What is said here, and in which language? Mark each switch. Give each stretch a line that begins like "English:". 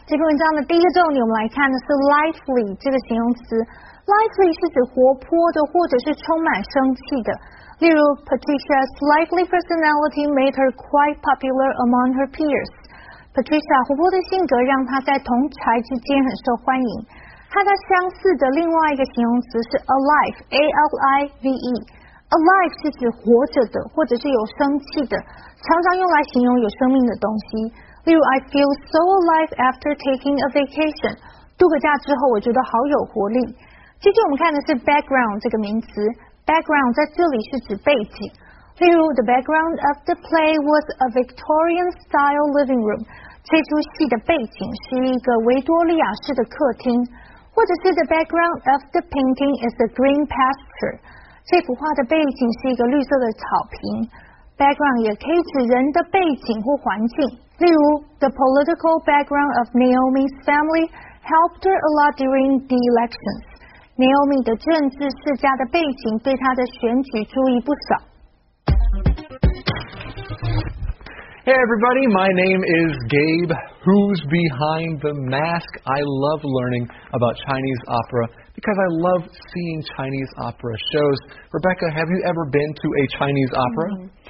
Chinese: 这篇文章的第一个重点我们来看的是 lively 这个形容词。 Lively 是指活泼的或者是充满生气的。例如
English: ,Patricia's lively personality made her quite popular among her peers.
Chinese: Patricia 活泼的性格让她在同侪之间很受欢迎。她的相似的另外一个形容词是 alive, A-L-I-V-E。 Alive 是指活着的或者是有生气的，常常用来形容有生命的东西。例如
English: I feel so alive after taking a vacation.
Chinese: 度个假之后我觉得好有活力。接着我们看的是 background 这个名词。 Background 在这里是指背景。例如
English: The background of the play was a Victorian style living room.
Chinese: 这出戏的背景是一个维多利亚式的客厅。或者是
English: The background of the painting is a green pasture.
Chinese: 这幅画的背景是一个绿色的草坪。Background 也可以指人的背景或环境。例如
English: The political background of Naomi's family helped her a lot during the elections.
Chinese: Naomi 的政治世家的背景对她的选举助益不少。
English: Hey everybody, my name is Gabe. Who's behind the mask? I love learning about Chinese opera because I love seeing Chinese opera shows. Rebecca, have you ever been to a Chinese opera?